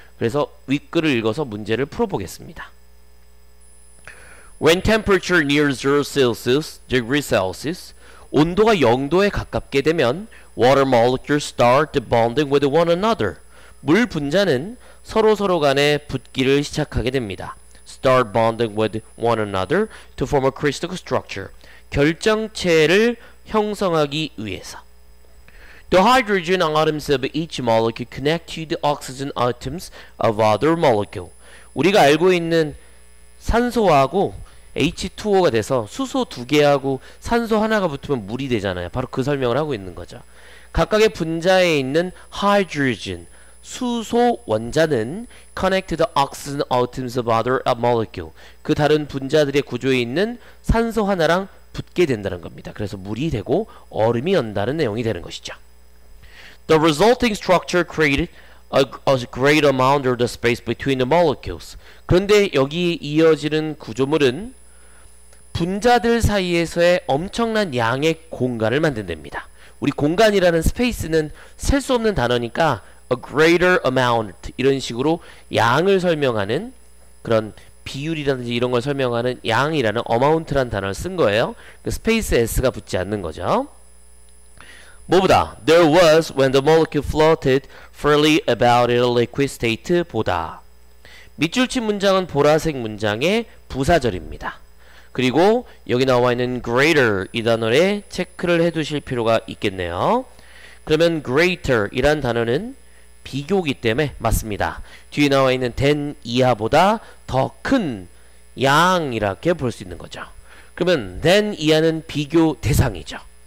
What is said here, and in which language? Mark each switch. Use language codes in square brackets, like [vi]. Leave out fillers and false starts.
[ko] 그래서 윗글을 읽어서 문제를 풀어보겠습니다. [en] When temperature near 0 Celsius, degree Celsius, [ko] 온도가 0도에 가깝게 되면 [en] water molecules start bonding with one another. [ko] 물 분자는 서로서로 간에 붙기를 시작하게 됩니다. [en] Start bonding with one another to form a crystal structure. [ko] 결정체를 형성하기 위해서. [en] The hydrogen atoms of each molecule connect to the oxygen atoms of other molecule. [ko] 우리가 알고 있는 산소하고 H2O가 돼서 수소 두 개하고 산소 하나가 붙으면 물이 되잖아요. 바로 그 설명을 하고 있는 거죠. 각각의 분자에 있는 [en] hydrogen, [ko] 수소 원자는 [en] connect to the oxygen atoms of other molecule. [ko] 그 다른 분자들의 구조에 있는 산소 하나랑 붙게 된다는 겁니다. 그래서 물이 되고 얼음이 연다는 내용이 되는 것이죠. [en] The resulting structure created a great amount of the space between the molecules. [ko] 그런데 여기 이어지는 구조물은 분자들 사이에서의 엄청난 양의 공간을 만든답니다. 우리 공간이라는 스페이스는 셀 수 없는 단어니까 [en] a greater amount [ko] 이런 식으로 양을 설명하는 그런 비율이라든지 이런 걸 설명하는 양이라는 amount라는 단어를 쓴 거예요. 그 스페이스 S가 붙지 않는 거죠. 뭐보다 [en] there was when the molecule floated freely about in a liquid state 보다. [ko] 밑줄 친 문장은 보라색 문장의 부사절입니다. 그리고 여기 나와 있는 greater 이 단어에 체크를 해두실 필요가 있겠네요. 그러면 greater 이란 단어는 비교기 때문에 맞습니다. 뒤에 나와 있는 than 이하보다 더 큰 양 이라고 볼 수 있는 거죠. 그러면 than 이하는 비교 대상이죠.